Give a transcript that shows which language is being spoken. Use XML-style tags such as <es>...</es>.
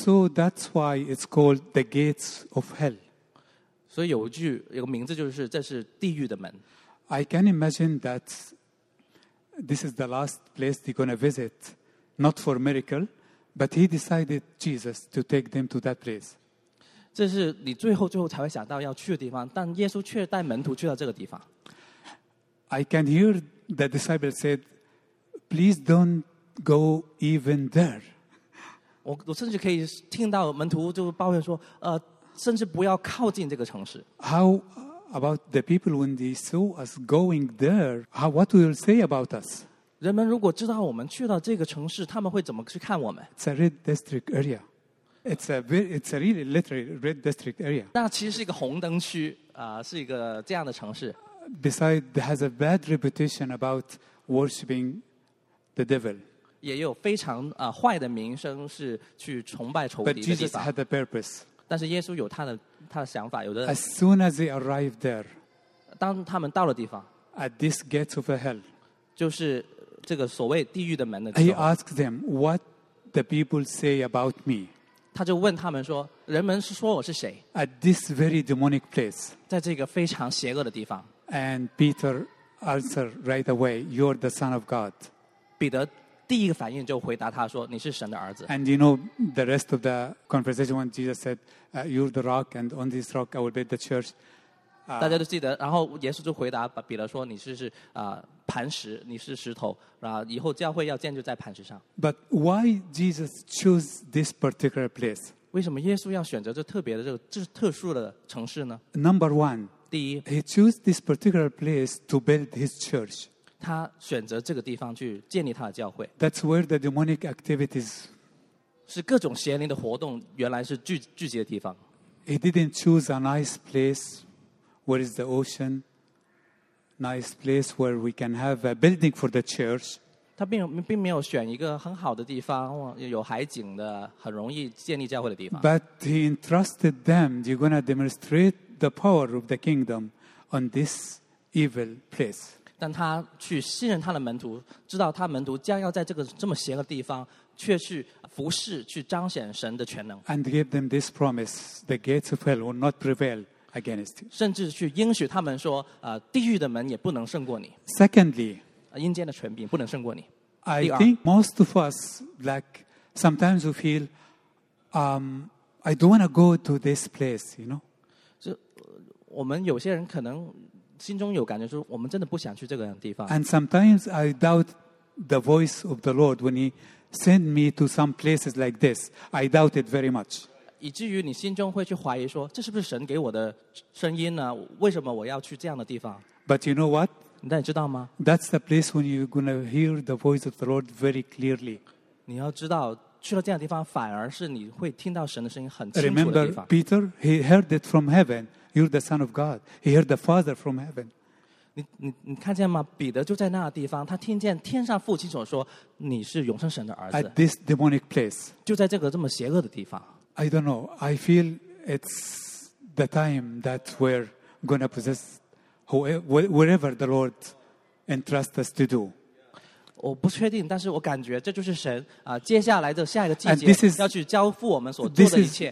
<en>So that's why it's called the gates of hell.</en> <zh>所以有个名字就是这是地狱的门。</zh> <en>I can imagine that this is the last place they're going to visit, not for miracle, but he decided Jesus to take them to that place.</en> <zh>这是你最后才会想到要去的地方，但耶稣却带门徒去到这个地方。</zh> <en>I can hear the disciples said, please don't go even there.</en> <zh>我甚至可以听到门徒就抱怨说，甚至不要靠近这个城市。</zh> <en>How about the people when they saw us going there? How, what will they say about us?</en> <zh>人们如果知道我们去到这个城市，他们会怎么去看我们？</zh> <en>It's a red district area. It's a really literally red district area.</en> <zh>那其实是一个红灯区，是一个这样的城市。</zh> <en>Besides, it has a bad reputation about worshipping the devil.</en> <zh>也有非常坏的名声是去崇拜仇敌的地方。</zh> <en>But Jesus had a purpose.</en> <zh>但是耶稣有他的想法，有的。</zh> <en>As soon as they arrived there,</en> <zh>当他们到了地方</zh> <en>，at this gates of hell,</en> <zh>就是这个所谓地狱的门的时候</zh> <en>，he asked them what the people say about me.</en> <zh>他就问他们说，人们是说我是谁</zh> <en>？At this very demonic place,</en> <zh>在这个非常邪恶的地方。</zh> <en>And Peter answered right away, "You're the Son of God."</en> <zh>彼得第一个反应就回答他说，你是神的儿子。</zh> <en>And you know the rest of the conversation when Jesus said, "You're the rock, and on this rock I will build the church."</en> <zh>大家都记得，然后耶稣就回答彼得说，你是磐石，你是石头，然后以后教会要建就在磐石上。</zh> <en>But why Jesus chose this particular place?</en> <zh>为什么耶稣要选择这特别的这特殊的城市呢</zh> <en>？Number one,</en> <zh>第一</zh> <en>，He chose this particular place to build His church.</en> <zh>他选择这个地方去建立他的教会。</zh> <en>That's where the demonic activities</en> <zh>是各种邪灵的活动原来是聚集的地方。</zh> <en>He didn't choose a nice place where is the ocean, nice place where we can have a building for the church.</en> <zh>他并没有选一个很好的地方，有海景的，很容易建立教会的地方。</zh> <en>But he entrusted them, you're going to demonstrate the power of the kingdom on this evil place.</en> <zh>但他去信任他的门徒，知道他门徒将要在这个这么邪恶的地方，却去服侍，去彰显神的全能。</zh> <en>And give them this promise: the gates of hell will not prevail against you.</en> <zh>甚至去应许他们说，地狱的门也不能胜过你。</zh> <en>Secondly,</en> <zh>阴间的权柄不能胜过你。</zh> <en>I think most of us, like, sometimes we feel, I don't want to go to this place, you know.</en> <zh>我们有些人可能心中有感觉说我们真的不想去这个地方。</zh> <en>And sometimes I doubt the voice of the Lord when he sent me to some places like this. I doubt it very much.</en> <zh>以至于你心中会去怀疑说这是不是神给我的声音呢? 为什么我要去这样的地方?</zh> <en>But you know what?</en> <zh>你知道吗?</zh> <en>That's the place when you're going to hear the voice of the Lord very clearly.</en> <zh>你要知道, 去了这样的地方, 反而是你会听到神的声音很清楚的地方。</zh> <en>Remember Peter? He heard it from heaven. You're the Son of God. He heard the Father from heaven.</en> <zh>你看见吗? 彼得就在那个地方, 他听见天上父亲所说, 你是永生神的儿子。</zh> <en>At this demonic place.</en> <zh>就在这个这么邪恶的地方。</zh> <en>I don't know. I feel it's the time that we're going to possess whatever the Lord entrusts us to do.</en> <zh>我不确定, 但是我感觉这就是神, 接下来的下一个季节要去交付我们所做的一切。</zh>